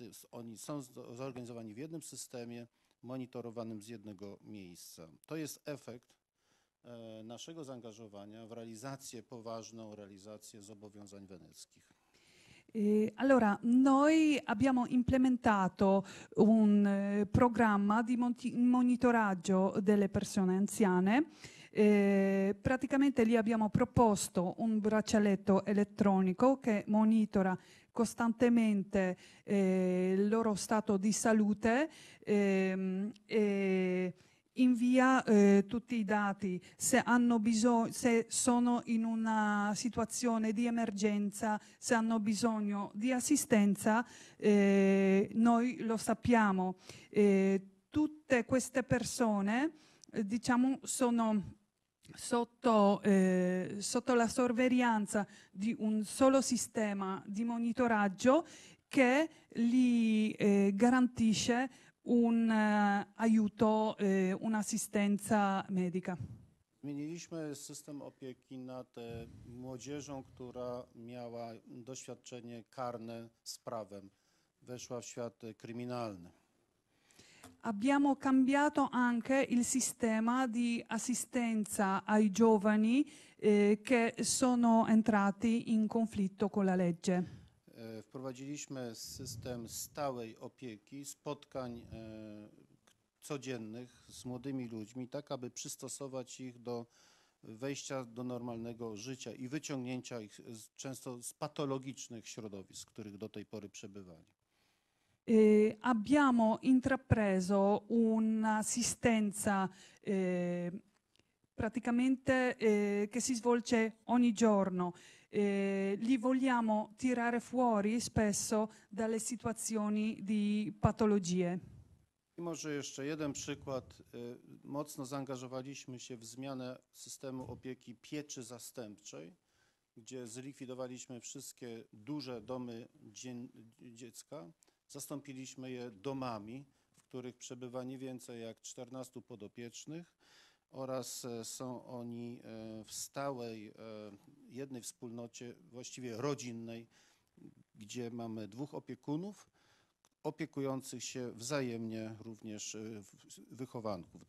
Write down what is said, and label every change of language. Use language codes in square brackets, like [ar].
[pl] Oni są zorganizowani w jednym systemie, monitorowanym z jednego miejsca. To jest efekt naszego zaangażowania w realizację, poważną realizację zobowiązań weneckich. [it] Allora, noi abbiamo implementato un programma di monitoraggio delle persone anziane. Praticamente gli abbiamo proposto un braccialetto elettronico che monitora costantemente il loro stato di salute e invia tutti i dati se hanno bisogno, se sono in una situazione di emergenza, se hanno bisogno di assistenza, noi lo sappiamo. Tutte queste persone, diciamo, sono sotto la sorveglianza di un solo sistema di monitoraggio che gli garantisce un aiuto, un'assistenza medica. [pl] Zmieniliśmy system opieki nad młodzieżą, która miała doświadczenie karne z prawem, weszła w świat kryminalny. [it] Abbiamo cambiato anche il sistema di assistenza ai giovani che sono entrati in conflitto con la legge. [pl] Wprowadziliśmy system stałej opieki, spotkań codziennych z młodymi ludźmi, tak aby przystosować ich do wejścia do normalnego życia i wyciągnięcia ich często z patologicznych środowisk, w których do tej pory przebywali. [it] Abbiamo intrapreso un'assistenza praticamente che si svolge ogni giorno. Li vogliamo tirare fuori spesso dalle situazioni di patologie. [pl] I może jeszcze jeden przykład. Mocno zaangażowaliśmy się w zmianę systemu opieki pieczy zastępczej, gdzie zlikwidowaliśmy wszystkie duże domy dziecka. Zastąpiliśmy je domami, w których przebywa nie więcej jak 14 podopiecznych oraz są oni w stałej jednej wspólnocie, właściwie rodzinnej, gdzie mamy dwóch opiekunów opiekujących się wzajemnie również wychowanków.